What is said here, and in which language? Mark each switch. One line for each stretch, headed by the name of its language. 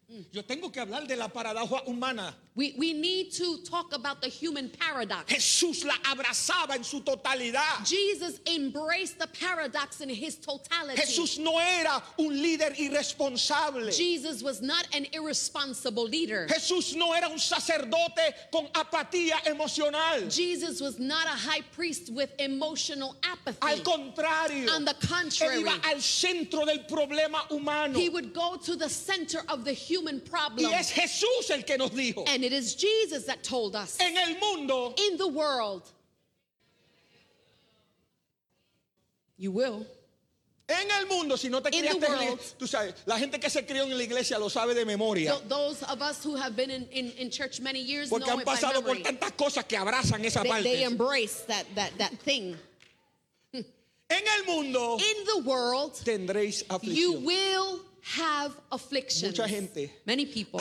Spanish: Yo tengo que hablar de la paradoja humana.
English: We need to talk about the human paradox.
Spanish: Jesús la abrazaba en su totalidad.
English: Jesus embraced the paradox in his totality.
Spanish: Jesús no era un líder irresponsable.
English: Jesus was not an irresponsible leader.
Spanish: Jesús no era un sacerdote con apatía emocional.
English: Jesus was not a high priest with emotional apathy.
Spanish: Al contrario.
English: On the contrary.
Spanish: Él iba al centro del problema humano.
English: He would go to the center of the human problem.
Spanish: Y es Jesús el que nos dijo.
English: And it is Jesus that told us
Spanish: en el mundo,
English: in the world you will
Spanish: en el mundo, si no te
English: in the world
Spanish: tú sabes, la gente que se crió en la iglesia lo sabe de memoria.
English: Those of us who have been in church many years
Spanish: Porque
English: know
Spanish: han pasado
English: it by memory
Spanish: por tantas cosas que abrazan esa parte.
English: They embrace that thing
Spanish: en el mundo,
English: in the world
Spanish: tendréis aflicción.
English: You will have afflictions.
Spanish: Mucha gente
English: many people